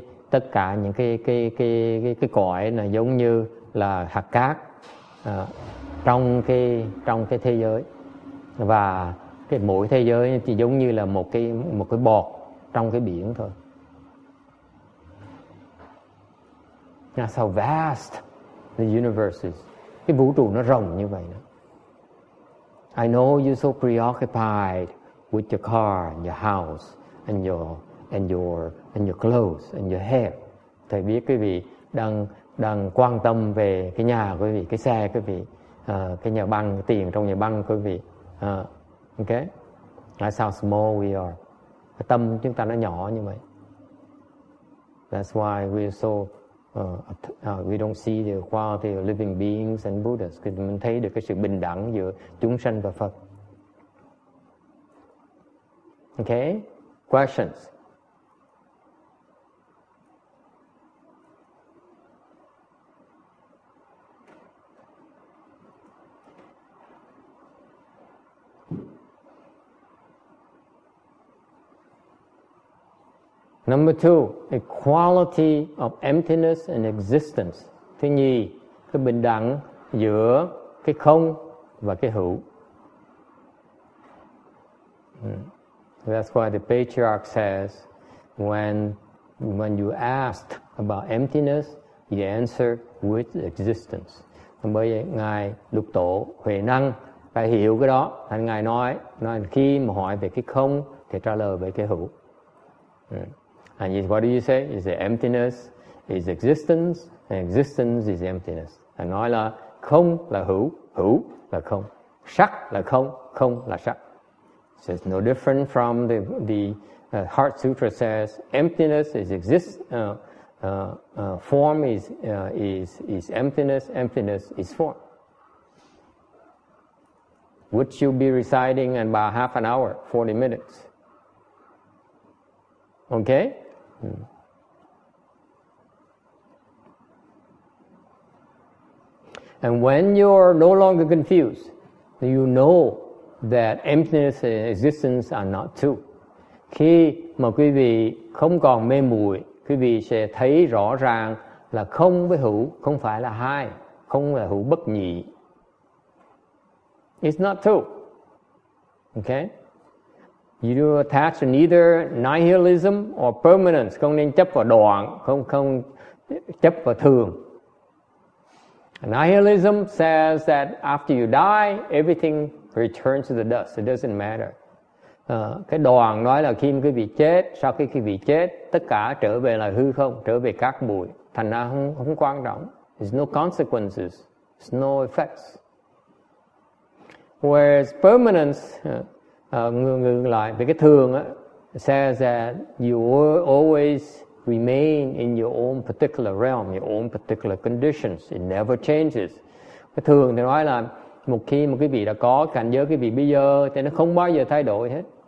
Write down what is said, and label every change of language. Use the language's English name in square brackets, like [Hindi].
[Vietnamese] Tất cả những cái cõi là giống như là hạt cát trong cái thế giới. Và cái mỗi thế giới thì giống như là một cái bọt trong cái biển thôi. [English] That's how vast the universe is. [Vietnamese] Cái vũ trụ nó rộng như vậy đó. [English] I know you're so preoccupied with your car and your house and your clothes and your hair. [Vietnamese] Thầy biết quý vị đang quan tâm về cái nhà của quý vị, cái xe của quý vị, cái nhà băng, cái tiền trong nhà băng của quý vị. Okay? [English] That's how small we are. [Vietnamese] Cái tâm chúng ta nó nhỏ như vậy. [English] That's why we're so we don't see the quality of living beings and Buddhas. [Vietnamese] Mình thấy được cái sự bình đẳng giữa chúng sanh và Phật. [English] Okay? Questions? Number two, equality of emptiness and existence. [Vietnamese] Thứ nhì, cái bình đẳng giữa cái không và cái hữu. [English] That's why the patriarch says, when you asked about emptiness, you answer with existence. [Vietnamese] Bởi vậy, Ngài Lục Tổ Huệ Năng phải hiểu cái đó. Thành Ngài nói khi mà hỏi về cái không, thì trả lời về cái hữu. [English] And what do you say? You say emptiness is existence, and existence is emptiness. [Vietnamese] And nói là không là hữu, hữu là không. Sắc là không, không là sắc. [English] So it's no different from the Heart Sutra says emptiness is exist, form is emptiness, emptiness is form. Would you be reciting in about half an hour, 40 minutes? Okay? And when you're no longer confused, you know that emptiness and existence are not two. [Vietnamese] Khi mà quý vị không còn mê muội, quý vị sẽ thấy rõ ràng là không với hữu không phải là hai, không là hữu bất nhị. [English] It's not two. [Vietnamese] Okay? [English] You do attach to neither nihilism or permanence. [Vietnamese] Không nên chấp vào đoạn, không chấp vào thường. [English] Nihilism says that after you die, everything returns to the dust. It doesn't matter. [Vietnamese] Cái đoạn nói là khi quý vị chết, sau khi quý vị chết, tất cả trở về là hư không, trở về cát bụi. Thành ra không quan trọng. [English] There's no consequences. There's no effects. Whereas permanence... [Vietnamese] ngừng lại về cái thường á, [English] says that you will always remain in your own particular realm, your own particular conditions. It never changes. [Vietnamese] Cái thường thì nói là một khi mà quý vị đã có cảnh giới quý vị bây giờ thì nó không bao giờ thay đổi hết.